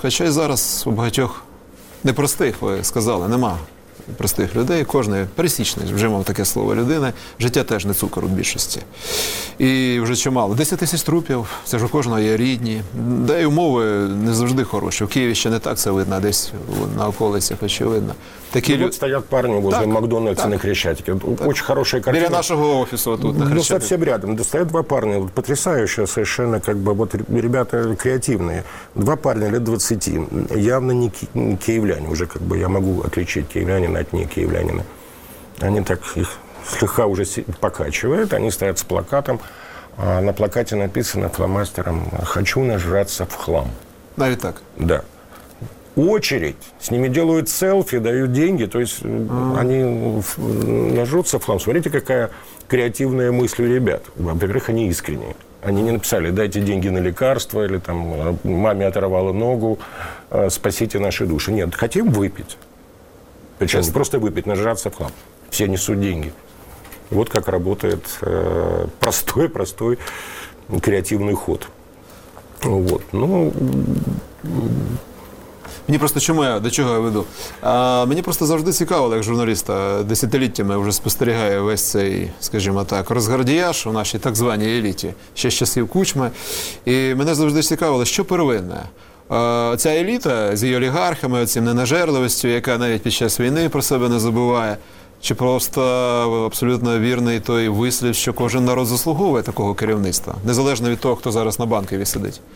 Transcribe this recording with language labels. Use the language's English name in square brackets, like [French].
[Ukrainian] Хоча й зараз у багатьох непростих, ви сказали, нема простих людей, кожен пересічний, вже мав таке слово, людини, життя теж не цукор у більшості. І вже чимало. 10 тисяч трупів, це ж у кожного є рідні. Да й умови не завжди хороші. В Києві ще не так це видно, десь на околицях очевидно. Такі люди стоять парні возле Макдональдса на Хрещатике. Дуже хороша картина. Біля нашого офісу тут на Хрещатике. Ну, зовсім рядом. Стоять два парні, [Russian] потрясающе, совершенно, как бы, вот, ребята креативные. [Ukrainian] Два парні [Russian] лет 20, явно не киевляне, уже, как бы, я могу отличить киевлянина от не киевлянина. Они так, их слегка уже покачивают, они стоят с плакатом, а на плакате написано фломастером «Хочу нажраться в хлам». Да, и так? Да. Очередь. С ними делают селфи, дают деньги. То есть они нажрутся в хлам. Смотрите, какая креативная мысль у ребят. Во-первых, они искренние. Они не написали «дайте деньги на лекарства» или там «маме оторвало ногу, спасите наши души». Нет, хотим выпить. Причем не просто выпить, нажраться в хлам. Все несут деньги. Вот как работает простой креативный ход. Вот, ну... [Ukrainian] Мені просто чому я, до чого я веду? Мені просто завжди цікаво, як журналіста, десятиліттями вже спостерігає весь цей, скажімо так, розградіяж у нашій так званій еліті, ще з часів Кучми. І мене завжди цікавило, що первинне? Ця еліта з її олігархами, цим ненажерливістю, яка навіть під час війни про себе не забуває, чи просто абсолютно вірний той вислів, що кожен народ заслуговує такого керівництва, незалежно від того, хто зараз на Банковій сидить.